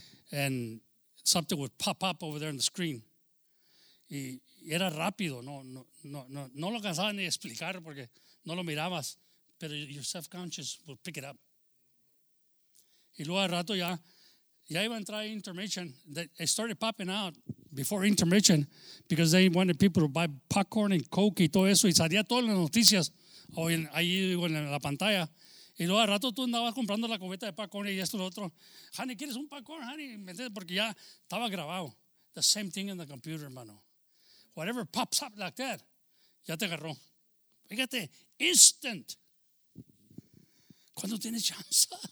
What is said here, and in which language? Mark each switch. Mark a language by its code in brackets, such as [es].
[en] And something would pop up over there on the screen. [es] Y era rápido. No lo cansaba ni explicar porque no lo mirabas. Pero [en] your self-conscious would pick it up. [es] Y luego al rato ya iba a entrar intermission. [en] They started popping out before intermission because they wanted people to buy popcorn and coke [es] y todo eso. Y salía todas las noticias. O ahí digo en la pantalla. Y luego al rato tú andabas comprando la cubeta de popcorn y esto y lo otro. Honey, ¿quieres un popcorn, honey? ¿Me entiendes? Porque ya estaba grabado. [en] The same thing in the computer, [es] hermano. [en] Whatever pops up like that, [es] ya te agarró. Fíjate, instant. ¿Cuándo tienes chance?